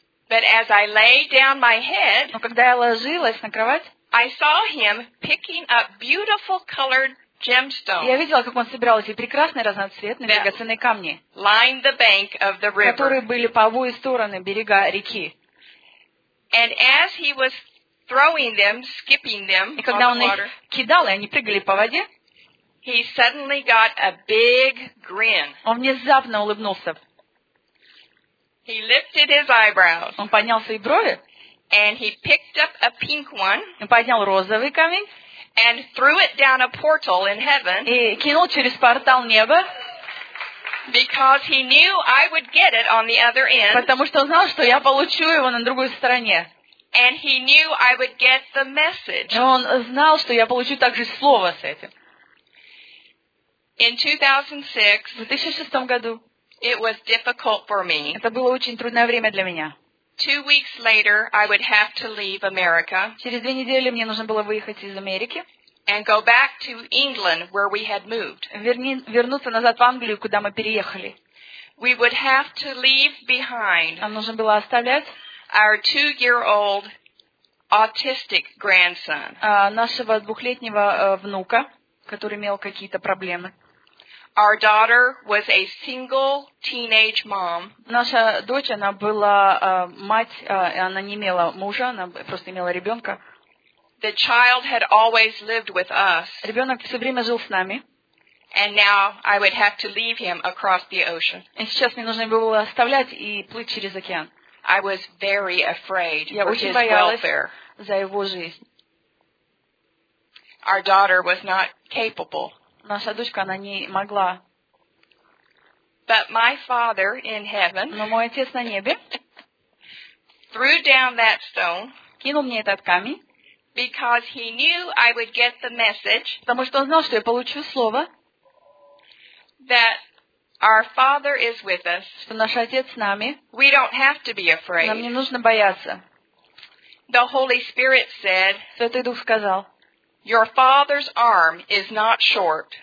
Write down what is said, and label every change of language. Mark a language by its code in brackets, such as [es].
[en] But as I lay down my head, [ru] но когда я ложилась на кровать, [en] I saw him picking up beautiful colored gemstones. [ru] Я видела, как он собирал эти прекрасные разноцветные драгоценные камни, [en] lined the bank of the river, [ru] которые были по обе стороны берега реки. [en] And as he was throwing them, skipping them, [ru] и когда он [en] the [ru] их кидал, и они прыгали по воде, [en] he suddenly got a big grin. [ru] Он внезапно улыбнулся. [en] He lifted his eyebrows. [ru] Он поднял свои брови. [en] And he picked up a pink one. [ru] Он поднял розовый камень. [en] And threw it down a portal in heaven. [ru] И кинул через портал неба. [en] Because he knew I would get it on the other end. [ru] Потому что он знал, что я получу его на другой стороне. [en] And he knew I would get the message. [ru] Но он знал, что я получу также слово с этим. [en] In 2006. [ru] В 2006 году. [en] It was difficult for me. [ru] Это было очень трудное время для меня. [en] 2 weeks later, I would have to leave America. [ru] Через 2 недели мне нужно было выехать из Америки. [en] And go back to England, where we had moved. [ru] Вернуться назад в Англию, куда мы переехали. [en] We would have to leave behind. [ru] Нам нужно было оставлять. [en] Our 2-year-old autistic grandson. [ru] Нашего 2-летнего внука, который имел какие-то проблемы. [en] Our daughter was a single teenage mom. [ru] Наша дочь, она была мать, она не имела мужа, она просто имела ребенка. [en] The child had always lived with us. [ru] Ребенок все время жил с нами. [en] And now I would have to leave him across the ocean. [ru] И сейчас мне нужно было оставлять и плыть через океан. [en] I was very afraid his welfare. [ru] Я очень боялась за его жизнь. [en] Our daughter was not capable. [ru] Наша дочка, она не могла. [en] But my father in heaven, [ru] но мой отец на небе [en] threw down that stone, [ru] кинул мне этот камень, [en] because he knew I would get the message, [ru] потому что он знал, что я получу слово, [en] that our father is with us, [ru] что наш отец с нами, [en] we don't have to be afraid. [ru] Нам не нужно бояться. [en] The Holy Spirit said, [ru] Святой Дух сказал, [en] your father's arm is not short.